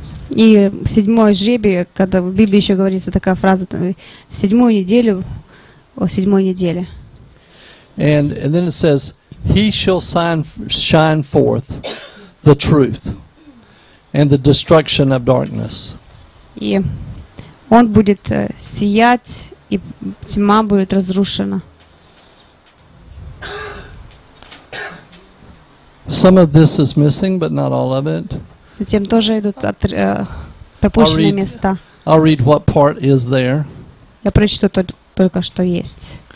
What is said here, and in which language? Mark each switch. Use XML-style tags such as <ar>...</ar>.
<ru>И седьмой жребий, когда в Библии еще говорится такая фраза, в седьмую неделю, о седьмой неделе.</ru> <en>And then it says, He shall shine forth the truth and the destruction of darkness.</en> <ru>И он будет сиять, и тьма будет разрушена.</ru> <en>Some of this is missing, but not all of it.</en> <ru>Затем тоже идут пропущенные места.</ru> <en>I'll read what part is there.</en> <ru>Я прочту только что есть.</ru>